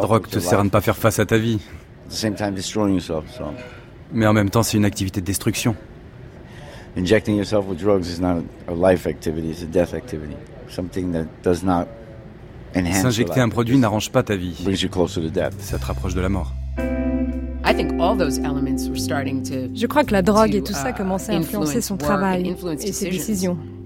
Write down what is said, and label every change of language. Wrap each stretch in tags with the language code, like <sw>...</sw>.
<fr>la drogue te sert à ne pas faire face à ta vie.</fr> <en>At the same time destroying yourself, so.</en> <fr>Mais en même temps, c'est une activité de destruction.</fr> <en>Injecting yourself with drugs is not a life activity, it's a death activity. Something that does not</en> <fr>S'injecter un produit n'arrange pas ta vie. Ça te rapproche de la mort. Je crois que la drogue et tout ça commençaient à influencer son travail et ses décisions.</fr>